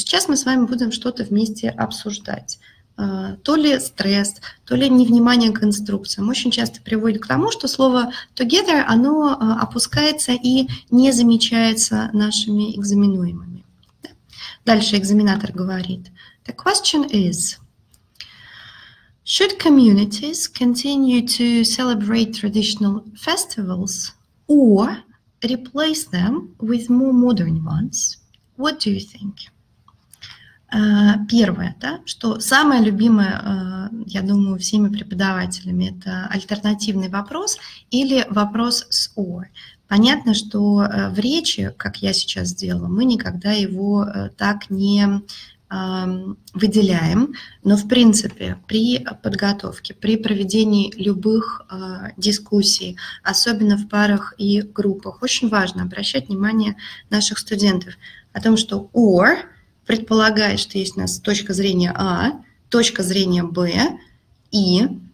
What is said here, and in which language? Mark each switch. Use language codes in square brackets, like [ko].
[ru] Сейчас мы с вами будем что-то вместе обсуждать. То ли стресс, то ли невнимание к инструкциям очень часто приводит к тому, что слово together, оно опускается и не замечается нашими экзаменуемыми. Дальше экзаменатор говорит. [en] The question is, should communities continue to celebrate traditional festivals or replace them with more modern ones? What do you think? [ru] Первое, да, что самое любимое, я думаю, всеми преподавателями, это альтернативный вопрос или вопрос с «or». Понятно, что в речи, как я сейчас сделала, мы никогда его так не выделяем, но в принципе при подготовке, при проведении любых дискуссий, особенно в парах и группах, очень важно обращать внимание наших студентов о том, что «or» предполагает, что есть у нас точка зрения А, точка зрения Б, и